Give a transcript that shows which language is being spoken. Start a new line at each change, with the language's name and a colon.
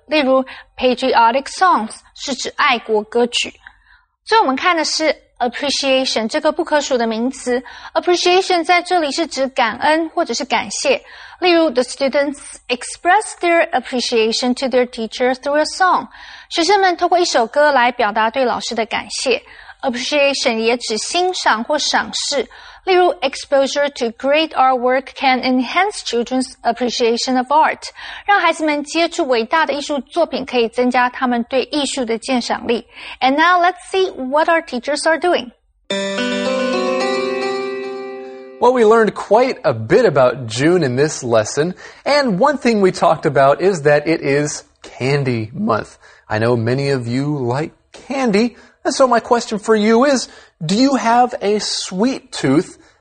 Chinese: 例如 patriotic songs 是指爱国歌曲。所以我们看的是appreciation 这个不可数的名词。 appreciation 在这里是指感恩或者是感谢。例如
English: the students express their appreciation to their teacher through a song.
Chinese: 学生们透过一首歌来表达对老师的感谢。
English: appreciation
Chinese: 也指欣赏或赏识。例如
English: exposure to great artwork can enhance children's appreciation of art.
Chinese: 让孩子们接触伟大的艺术作品可以增加他们对艺术的鉴赏力。
English: And now let's see what our teachers are doing. Well, we learned quite a bit about June in this lesson. And one thing we talked about is that it is Candy Month. I know many of you like candy. And so my question for you is,Do you have a sweet tooth?